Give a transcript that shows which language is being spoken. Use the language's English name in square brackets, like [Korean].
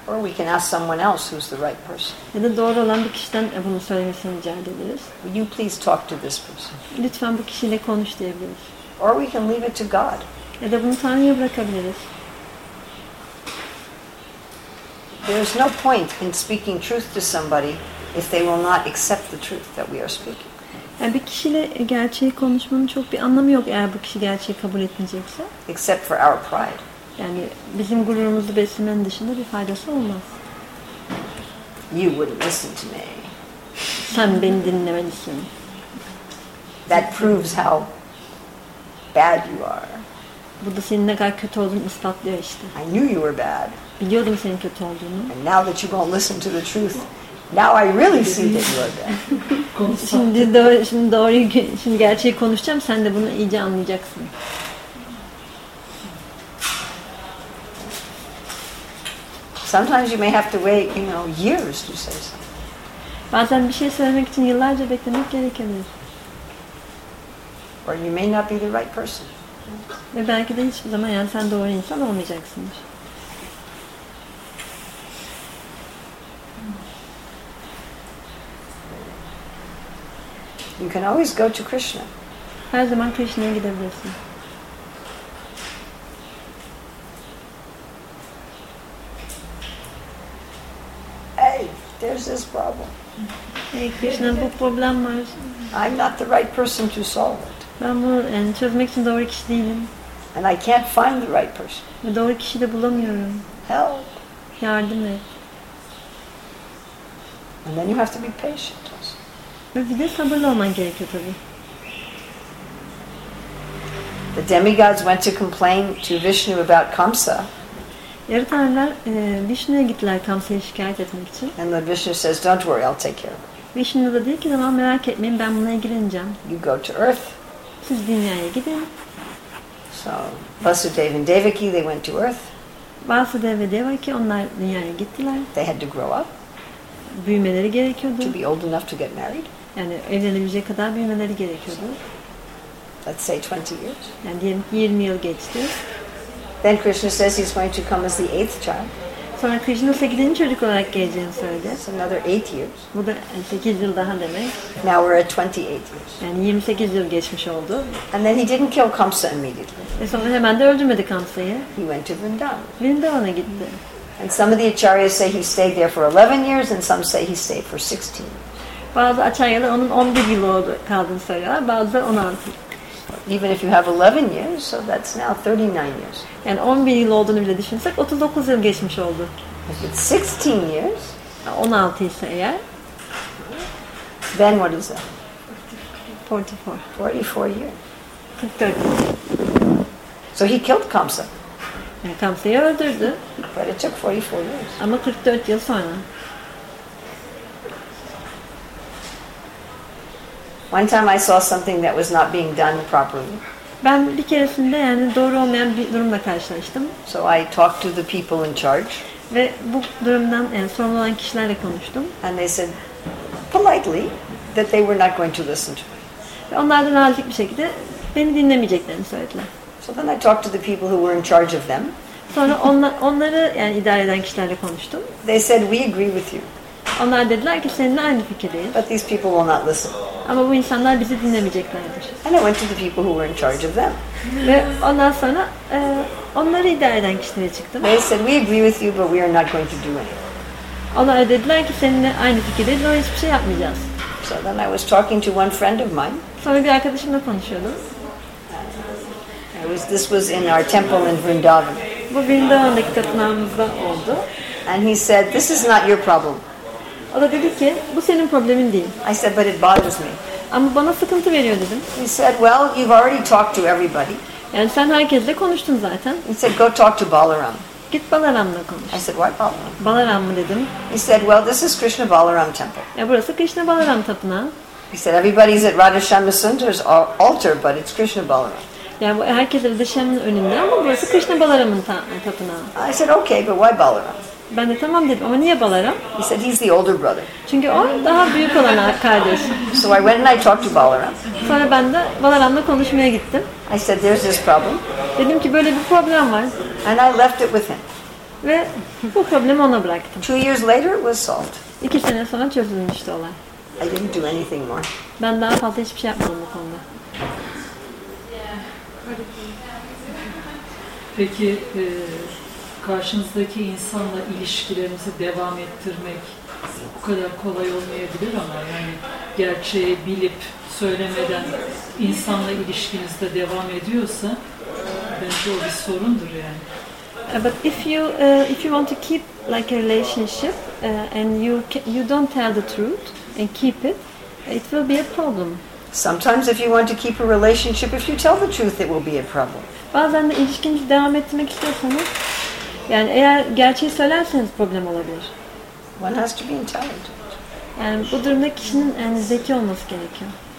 [English] Or we can ask someone else who's the right person. [Turkish] Ya da doğru olan bir kişiden bunu söylemesini rica edebiliriz. [English] Will you please talk to this person? [Turkish] Lütfen bu kişiyle konuş diyebiliriz. [English] Or we can leave it to God. [Turkish] Ya da bunu Tanrı'ya bırakabiliriz. [English] There is no point in speaking truth to somebody if they will not accept the truth that we are speaking. [Turkish] Yani bir kişiyle gerçeği konuşmanın çok bir anlamı yok eğer bu kişi gerçeği kabul etmeyecekse. [English] Except for our pride. [Turkish] Yani bizim gururumuzu beslemenin dışında bir faydası olmaz. [English] You wouldn't listen to me. [Turkish] Sen beni dinlemelisin. [English] That proves how bad you are. [Turkish] Bu da senin ne kadar kötü olduğunu ispatlıyor işte. [English] I knew you were bad. [Turkish] Biliyordum senin kötü olduğunu. [English] And now that you won't listen to the truth, now I really see that you are bad. [Turkish] Şimdi gerçeği konuşacağım, sen de bunu iyice anlayacaksın. [English] Sometimes you may have to wait, you know, years to say something. [Turkish] Bazen bir şey söylemek için yıllarca beklemek gerekebilir. [English] Or you may not be the right person. [Turkish] Ve belki de hiçbir zaman yani sen doğru insan olmayacaksındır. [English] You can always go to Krishna. [Turkish] Her zaman Krishna'ya gidebilirsin. [English] There's this problem. [Turkish] Hey Krishna, bu problem var. [English] I'm not the right person to solve it. [Turkish] Ben bunu çözmek için doğru kişi değilim. [English] And I can't find the right person. [Turkish] Doğru kişiyi de bulamıyorum. [English] Help. [Turkish] Yardım et. [English] And then you have to be patient. [Turkish] Ve bir de sabırlı olman gerekiyor tabii. [English] The demigods went to complain to Vishnu about Kamsa. [Turkish] Yarı tanrılar Vishnu'ya gittiler Kamsa'ya şikayet etmek için. [English] And the Vishnu says, "Don't worry, I'll take care of it." [Turkish] Vishnu da diyor ki, "Tamam, merak etmeyin, ben buna ilgileneceğim." [English] You go to Earth. [Turkish] Siz dünyaya gidin. [English] So Vasudeva and Devaki, they went to Earth. [Turkish] Vasudeva ve Devaki, onlar dünyaya gittiler. [English] They had to grow up. [Turkish] Büyümeleri gerekiyordu. [English] To be old enough to get married. [Turkish] Yani evlenebilecek kadar büyümeleri gerekiyordu. [English] Let's say 20 years. [Turkish] Yani diyelim 20 yıl geçti. [English] Then Krishna says he's going to come as the eighth child. [Turkish] Sonra Krishna 8. çocuk olarak geleceğini söyledi. [English] So another 8 years. [Turkish] Bu da 8 yıl daha demek. [English] Now we're at 28 years. [Turkish] Yani 28 yıl geçmiş oldu. [English] And then he didn't kill Kamsa immediately. [Turkish] E sonra hemen de öldürmedi Kamsa'yı. [English] He went to Vrindavan. [Turkish] Vrindavan'a gitti. [English] And some of the acharyas say he stayed there for 11 years and some say he stayed for 16. [Turkish] Bazı acharyalar onun 11 yıl kaldığını söylüyorlar, bazı 16. [English] Even if you have 11 years, so that's now 39 years. [Turkish] Yani 11 yıl olduğunu bile düşünsek 39 yıl geçmiş oldu. [English] If it's 16 years, [Turkish] 16 ise eğer, [English] then what is that? [Turkish] 44. [English] 44 years. [Turkish] 44. [English] So he killed Kamsa. [Turkish] Yani Kamsa'yı öldürdü. [English] But it took 44 years. [Turkish] Ama 44 yıl sonra. [English] One time I saw something that was not being done properly. [Turkish] Ben bir keresinde yani doğru olmayan bir durumla karşılaştım. [English] So I talked to the people in charge. [Turkish] Ve bu durumdan yani sorumlu olan kişilerle konuştum. [English] And they said politely that they were not going to listen to me. [Turkish] Onlar da nazik bir şekilde beni dinlemeyeceklerini söylediler. [English] So then I talked to the people who were in charge of them. [Turkish] Sonra onları yani idare eden kişilerle konuştum. [English] They said we agree with you. [Turkish] Onlar dediler ki seninle aynı fikirdeyiz. [English] But these people will not listen. [Turkish] Ama bu insanlar bizi dinlemeyeceklerdir. [English] And I went to the people who were in charge of them. [Turkish] Ve ondan sonra onları idare eden kişilere çıktım. [English] They said we agree with you, but we are not going to do anything. [Turkish] Onlar dediler ki seninle aynı fikirdeyiz, o hiçbir şey yapmayacağız. [English] So then I was talking to one friend of mine. [Turkish] Sonra bir arkadaşımla konuşuyordum. [English] This was in our temple in Vrindavan. [Turkish] Bu Vrindavan'daki tapınağımızda oldu. [English] And he said, this is not your problem. [Turkish] O da dedi ki, bu senin problemin değil. [English] I said, but it bothers me. [Turkish] Ama bana sıkıntı veriyor dedim. [English] He said, well, you've already talked to everybody. [Turkish] Yani sen herkesle konuştun zaten. [English] He said, go talk to Balaram. [Turkish] Git Balaram'la konuş. [English] I said, why Balaram? [Turkish] Balaram mı dedim. [English] He said, well, this is Krishna Balaram temple. [Turkish] Ya burası Krishna Balaram tapınağı. [English] He said, everybody's at Radhashyamasundar's altar, but it's Krishna Balaram. [Turkish] Yani bu herkes Radhashyam'ın önünde ama burası Krishna Balaram'ın tapınağı. [English] I said, okay, but why Balaram? [Turkish] Ben de tamam dedim ama niye Balaram? [English] He said he's the older brother. [Turkish] Çünkü o daha büyük olan kardeş. [English] So I went and I talked to Balaram. [Turkish] Sonra ben de Balaram'la konuşmaya gittim. [English] I said there's this problem. [Turkish] Dedim ki böyle bir problem var. [English] And I left it with him. [Turkish] Ve bu problemi ona bıraktım. [English] 2 years later it was solved. [Turkish] 2 sene sonra çözülmüştü olay. [English] I didn't do anything more. [Turkish] Ben daha fazla hiçbir şey yapmadım bu konuda. Peki karşımızdaki insanla ilişkilerimizi devam ettirmek bu kadar kolay olmayabilir ama yani gerçeği bilip söylemeden insanla ilişkinizde devam ediyorsa bence o bir sorundur yani. [English] But if you want to keep like a relationship and you don't tell the truth and keep it, it will be a problem. Sometimes if you want to keep a relationship, if you tell the truth, it will be a problem. [Turkish] Bazen de ilişkinizi devam ettirmek istiyorsanız, yani eğer gerçeği söylerseniz problem olabilir. [English] One has to be intelligent. [Turkish] Yani bu durumda kişinin yani zeki olması gerekiyor.